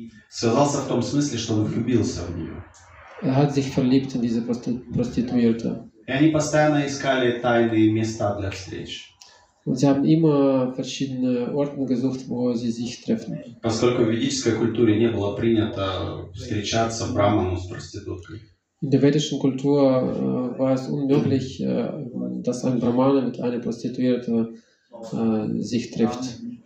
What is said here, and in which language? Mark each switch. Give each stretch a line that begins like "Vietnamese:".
Russian: Связался в том смысле, что он влюбился в нее.
German: Er hat sich verliebt in diese Prostituierte.
Russian: И они постоянно искали тайные места для встреч.
German: Und sie haben immer verschiedene Orte gesucht, wo sie sich treffen.
Russian: Поскольку в ведической культуре не было принято встречаться браману с проституткой.
German: In der vedischen Kultur war es unmöglich, dass ein Brahmane mit einer Prostituierte sich trifft.